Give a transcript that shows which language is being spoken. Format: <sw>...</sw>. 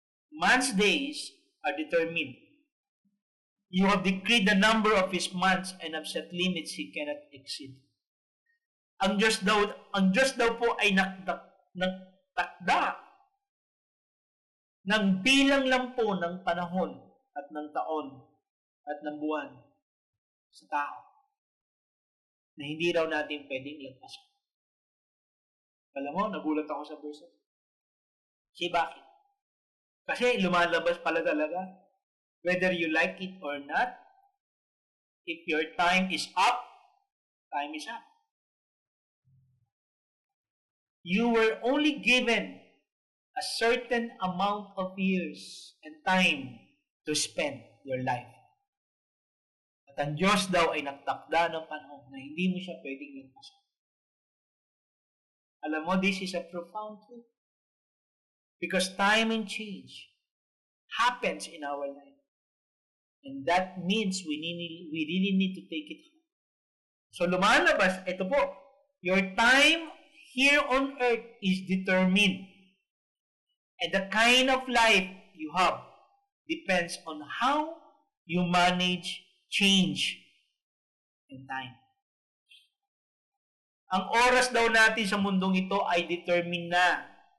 <en>Man's days are determined. You have decreed the number of his months and have set limits he cannot exceed.</en> <tl>Ang Diyos daw po ay nagtakda ng bilang lang po ng panahon at ng taon at ng buwan sa tao na hindi raw natin pwedeng ilagpas. Alam mo, nagulat ako sa verse. Kasi bakit? Kasi lumalabas pala talaga.</tl> <en>Whether you like it or not, if your time is up, time is up. You were only given a certain amount of years and time to spend your life.</en> <tl>At ang Diyos daw ay nagtakda ng panahon na hindi mo siya pwedeng ilagpasan. Alam mo,</tl> <en>this is a profound truth. Because time and change happens in our life. And that means we really need to take it home. So</en> <tl>lumalabas, ito po,</tl> <en>your time here on earth is determined. And the kind of life you have depends on how you manage change and time.</en> <tl>Ang oras daw natin sa mundong ito ay determined na.</tl>